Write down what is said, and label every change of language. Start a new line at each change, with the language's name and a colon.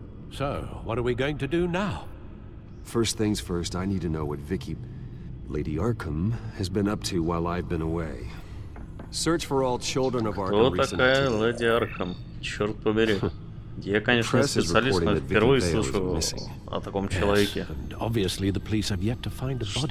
English: So, what are we going to do now? First things first, I need to know what Vicky, Lady Arkham, has been up to while I've been away. Search for all children of Arkham.
Russian: Кто такая леди Аркхам? Черт побери. Я, конечно, специалист, но впервые слышу о таком человеке.
English: Obviously, the police have yet to find a body.